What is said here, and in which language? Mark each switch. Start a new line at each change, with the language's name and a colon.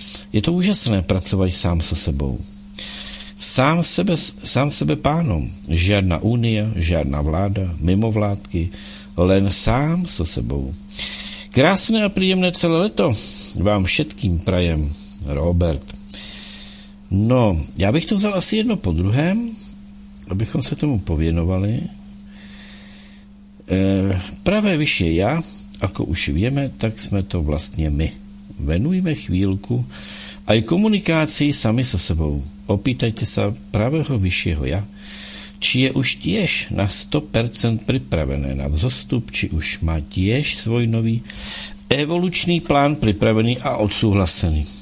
Slovak: Je to úžasné pracovať sám so sebou. Sám sebe pánom. Žiadna únia, žiadna vláda, mimovládky, len sám so sebou. Krásne a príjemné celé leto vám všetkým prajem, Robert.
Czech: No, ja bych to vzal asi jedno po druhém, abychom sa tomu povienovali.
Slovak: Pravé vyššie ja, ako už vieme, tak sme to vlastne my. Venujme chvíľku aj komunikácii sami so sebou. Opýtajte sa pravého vyššieho ja, či je už tiež na 100% pripravené na vzostup, či už má tiež svoj nový evolučný plán pripravený a odsúhlasený.